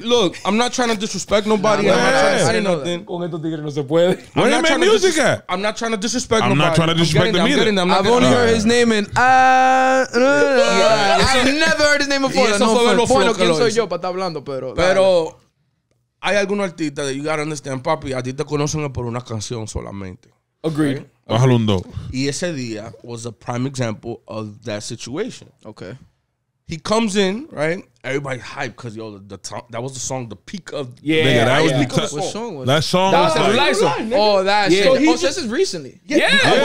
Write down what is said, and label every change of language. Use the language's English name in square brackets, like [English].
[English] So, look, I'm not trying to disrespect nobody. Nah, I'm not trying to say nothing. [Spanish] Con estos tigres no se puede. [English] Where he make music at? I'm not trying to disrespect nobody. I'm not trying to disrespect them either. I've only heard his name in... I've never heard his name before. [Spanish] Eso fue lo bueno que soy yo para estar hablando, pero... Pero... Hay algunos artistas [English] that you gotta understand, [Spanish] papi. A ti te conocen por una canción solamente. [English] Agreed. [Spanish] Bájalo un dos. Y ese día [English] was a prime example of that situation. Okay. He comes in, right? Everybody hyped because, yo, that was the song, the peak of... Yeah. Nigga, that was yeah. Because... What song was that? That song that was like... Right, oh, that yeah. Shit. So oh, just, this is recently. Yeah. Yeah.